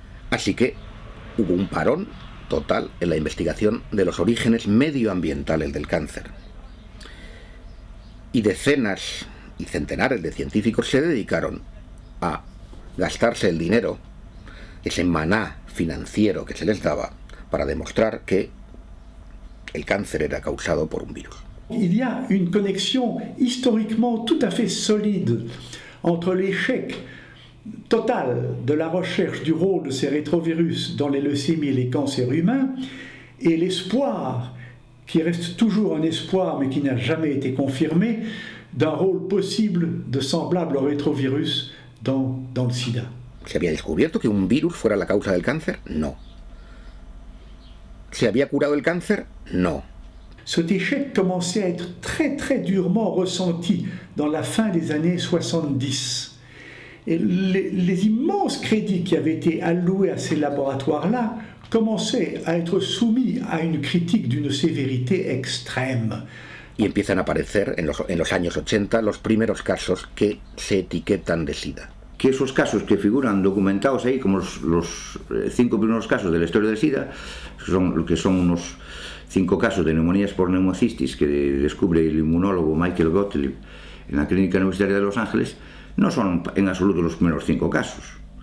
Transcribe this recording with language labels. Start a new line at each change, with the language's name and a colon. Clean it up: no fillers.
Spanish: Así que hubo un parón total en la investigación de los orígenes medioambientales del cáncer. Y decenas y centenares de científicos se dedicaron a gastarse el dinero, ese maná financiero que se les daba, para demostrar que el cáncer era causado por un virus.
French: Il y a une connexion historiquement tout à fait solide entre l'échec total de la recherche du rôle de ces rétrovirus dans les leucémies et les cancers humains et l'espoir, qui reste toujours un espoir mais qui n'a jamais été confirmé, d'un rôle possible de semblable au rétrovirus dans le sida.
Spanish: ¿Se había descubierto que un virus fuera la causa del cáncer? No. ¿Se había curado el cáncer? No.
French: Cet échec commençait à être très très durement ressenti dans la fin des années 70. Et les immenses crédits qui avaient été alloués à ces laboratoires-là commençaient à être soumis à une critique d'une sévérité extrême.
Spanish: Y empiezan a aparecer en los años 80 los primeros casos que se etiquetan de SIDA. Que esos casos que figuran documentados ahí, como los cinco primeros casos de la historia de SIDA, que son unos cinco casos de neumonías por neumocistis que descubre el inmunólogo Michael Gottlieb en la Clínica Universitaria de Los Ángeles, no son en absoluto los primeros cinco casos.